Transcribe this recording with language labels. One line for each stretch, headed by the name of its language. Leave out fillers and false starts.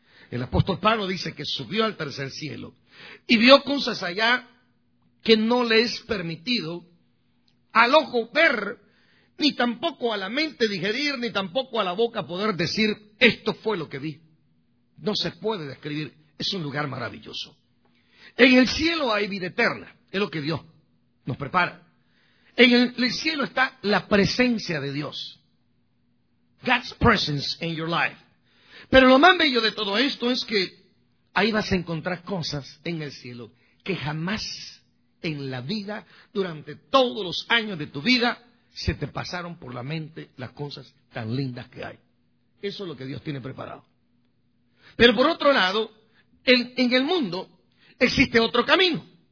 Spanish: El apóstol Pablo dice que subió al tercer cielo y vio cosas allá que no le es permitido al ojo ver, ni tampoco a la mente digerir, ni tampoco a la boca poder decir, esto fue lo que vi. No se puede describir, es un lugar maravilloso. En el cielo hay vida eterna, es lo que Dios nos prepara. En el cielo está la presencia de Dios.
English: God's presence in your life.
Spanish: Pero lo más bello de todo esto es que ahí vas a encontrar cosas en el cielo que jamás en la vida, durante todos los años de tu vida, se te pasaron por la mente las cosas tan lindas que hay. Eso es lo que Dios tiene preparado. Pero por otro lado, en el mundo existe otro camino.